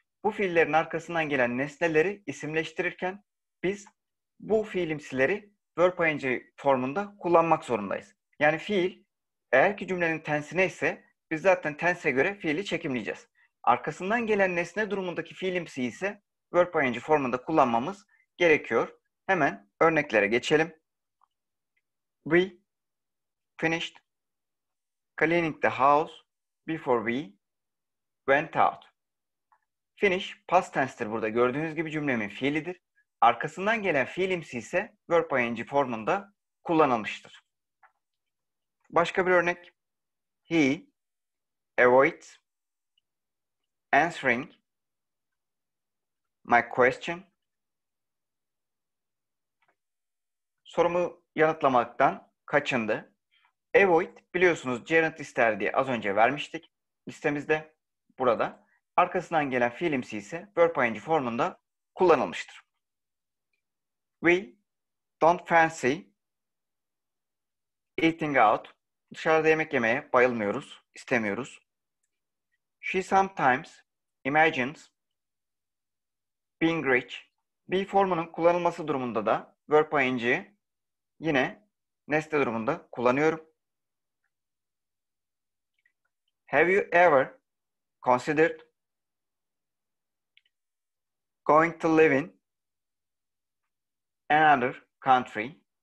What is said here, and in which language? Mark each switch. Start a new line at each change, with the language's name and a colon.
Turkish: Bu fiillerin arkasından gelen nesneleri isimleştirirken biz bu fiilimsileri verb ing formunda kullanmak zorundayız. Yani fiil eğer ki cümlenin tensine ise biz zaten tense göre fiili çekimleyeceğiz. Arkasından gelen nesne durumundaki fiilimsi ise verb ing formunda kullanmamız gerekiyor. Hemen örneklere geçelim.
English: We finished cleaning the house before we went out.
Turkish: Finish past tense'tir burada. Gördüğünüz gibi cümlemin fiilidir. Arkasından gelen fiilimsi ise verb ing formunda kullanılmıştır. Başka bir örnek.
English: He avoids answering my question.
Turkish: Sorumu yanıtlamaktan kaçındı. Avoid, biliyorsunuz gerund ister diye az önce vermiştik listemizde burada. Arkasından gelen fiilimsi ise verb ing formunda kullanılmıştır.
English: We don't fancy eating out.
Turkish: Dışarıda yemek yemeye bayılmıyoruz, istemiyoruz.
English: She sometimes imagines being rich.
Turkish: Be formunun kullanılması durumunda da verb ing'i yine nesne durumunda kullanıyorum.
English: Have you ever considered going to live in another country?